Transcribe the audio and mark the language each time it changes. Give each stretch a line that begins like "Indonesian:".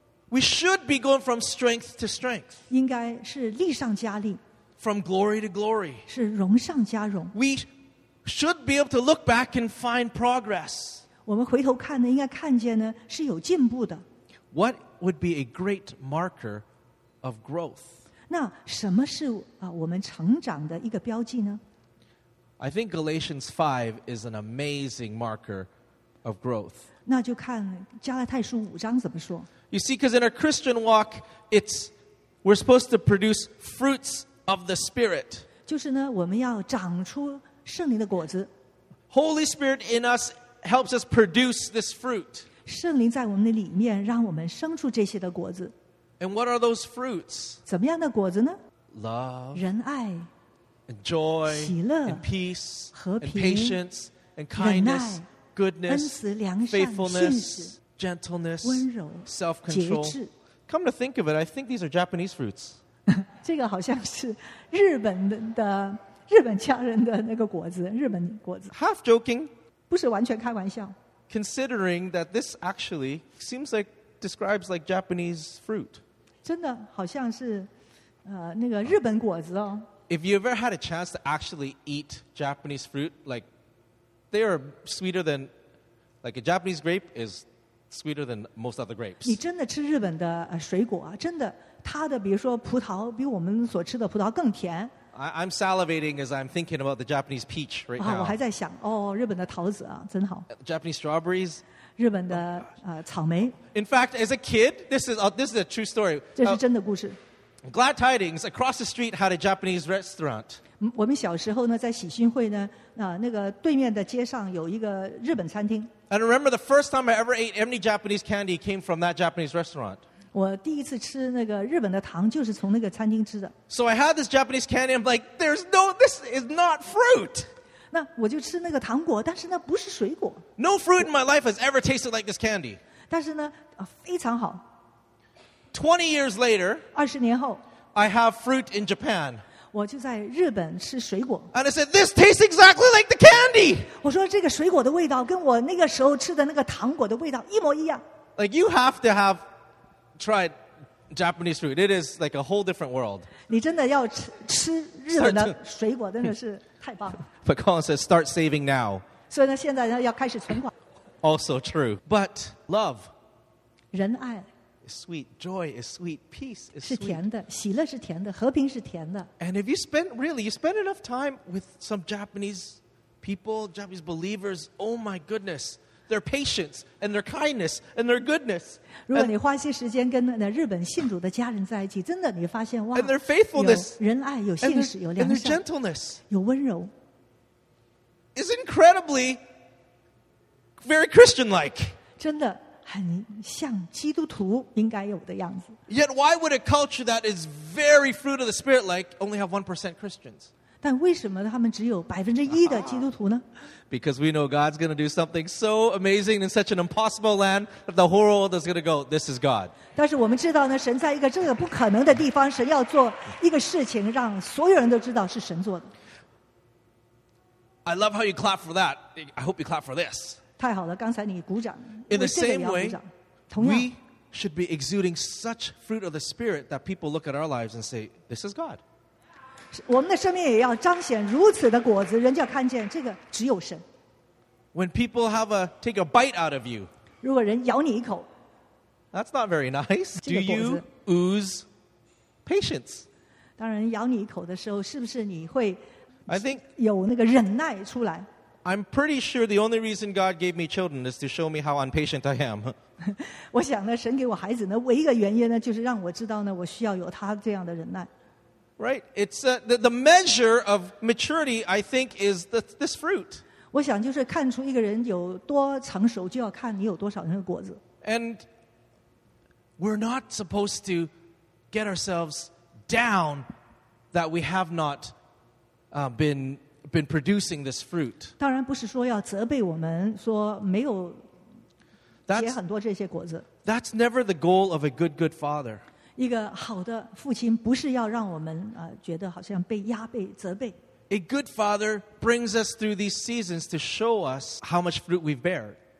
English: We should be going from strength to strength.
Chinese: 应该是力上加力。
English: From glory to glory. We should be able to look back and find progress.
Chinese: 我们回头看呢,应该看见呢,是有进步的。
English: What would be a great marker of growth?
Chinese: 那什么是我们成长的一个标记呢?
English: I think Galatians 5 is an amazing marker of growth.
Chinese: 那就看加拉太书5章怎么说。
English: You see, because in our Christian walk, we're supposed to produce fruits of the Spirit.
Chinese: 就是呢,
English: Holy Spirit in us helps us produce this fruit. And what are those fruits?
Chinese: 怎么样的果子呢?
English: Love,
Chinese: 仁爱,
English: and joy,
Chinese: 喜乐,
English: and peace,
Chinese: 和平,
English: and patience, and kindness,
Chinese: 忍耐,
English: goodness,
Chinese: 恩慈, 良善,
English: faithfulness,
Chinese: 信使,
English: gentleness,
Chinese: 温柔,
English: self-control.
Chinese: 节制,
English: Come to think of it, I think these are Japanese fruits.
Chinese: 这个好像是日本的日本家人的那个果子，日本果子。
English: Half joking.
Chinese: 不是完全开玩笑。
English: Considering that this actually seems like describes like Japanese fruit.
Chinese: 真的好像是那个日本果子哦。
English: If you ever had a chance to actually eat Japanese fruit, like they are sweeter than like a Japanese grape is sweeter than most other grapes.
Chinese: 你真的吃日本的水果啊，真的。它的比如说葡萄比我们所吃的葡萄更甜
English: I'm salivating as I'm thinking about the Japanese peach right now
Chinese: 我还在想日本的桃子真好
English: Japanese strawberries
Chinese: 日本的草莓
English: In fact, as a kid this is a true story
Chinese: 这是真的故事
English: Glad tidings across the street had a Japanese restaurant
Chinese: 我们小时候呢，在喜讯会呢，啊，那个对面的街上有一个日本餐厅。
English: And remember the first time I ever ate any Japanese candy came from that Japanese restaurant.
Chinese: 我第一次吃那个日本的糖就是从那个餐厅吃的。
English: So I had this Japanese candy. I'm like, there's no, this is not fruit.
Chinese: 那我就吃那个糖果，但是那不是水果。
English: No fruit in my life has ever tasted like this candy.
Chinese: 但是呢，啊，非常好。
English: 20 years later,
Chinese: 20年后,
English: I have fruit in Japan.
Chinese: 我就在日本吃水果。
English: And I said, this tastes exactly like the candy.
Chinese: 我说这个水果的味道跟我那个时候吃的那个糖果的味道一模一样。
English: Like you have to have tried Japanese fruit. It is like a whole different world.
Chinese: 你真的要吃日本的水果真的是太棒了。
English: But Colin says, start saving now.
Chinese: 所以呢，现在要开始存款。
English: Also true. But love.
Chinese: 仁爱。
English: Sweet joy is sweet. Peace is sweet.
Chinese: 是甜的，喜乐是甜的，和平是甜的。
English: And if you spend really, you spend enough time with some Japanese people, Japanese believers, oh my goodness, their patience and their kindness and their goodness.
Chinese: 如果你花一些时间跟那日本信主的家人在一起，真的你发现哇
English: ，and their faithfulness,
Chinese: 有仁爱，有信实，有良善
English: ，and their gentleness,
Chinese: 有温柔
English: is incredibly very Christian-like.
Chinese: 真的。很像基督徒应该有的样子。
English: Yet why would a culture that is very fruit of the spirit like only have 1% Christians?
Chinese: 但为什么他们只有 1% 的基督徒呢？
English: Because we know God's going to do something so amazing in such an impossible land that the whole world is going to go, this is God.
Chinese: 但是我们知道呢，神在一个这个不可能的地方，神要做一个事情，让所有人都知道是神做的。
English: I love how you clap for that. I hope you clap for this.
Chinese: 太好了，刚才你鼓掌。
English: In the same way, we should be exuding such fruit of the Spirit that people look at our lives and say, "This is God."
Chinese: 我们的生命也要彰显如此的果子，人家看见这个只有神。
English: When people have a take a bite out of you,
Chinese: 如果人咬你一口
English: ，That's not very nice. Do you ooze patience?
Chinese: 当人咬你一口的时候，是不是你会
English: ？I think
Chinese: 有那个忍耐出来。
English: I'm pretty sure the only reason God gave me children is to show me how impatient I am.
Chinese: 我想呢，神给我孩子呢，唯一个原因呢，就是让我知道呢，我需要有他这样的忍耐。
English: Right? It's the measure of maturity, I think, is this fruit.
Chinese: 我想就是看出一个人有多成熟，就要看你有多少那个果子。
English: And we're not supposed to get ourselves down that we have not been producing this fruit.
Chinese: 当然不是说要责备我们说没有结很多这些果子。
English: That's never the goal of a good father.
Chinese: 一个好的父亲不是要让我们觉得好像被压被责备。
English: A good father brings us through these seasons to show us how much fruit we've bear.